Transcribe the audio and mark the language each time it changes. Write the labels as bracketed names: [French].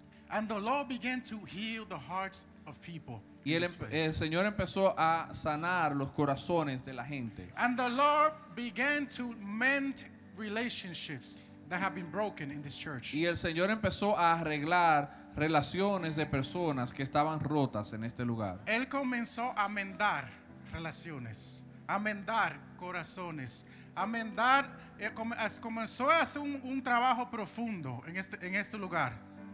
[English] And the Lord began to heal the hearts of people. [Spanish] Y el Señor empezó a sanar los corazones de la gente. [English] And the Lord began to mend relationships that have been broken in this church. [Spanish] Y el Señor empezó a arreglar relaciones de personas que estaban rotas en este lugar. Él comenzó a mendar relaciones, a mendar corazones, a mendar. Comenzó a hacer un trabajo profundo en este lugar.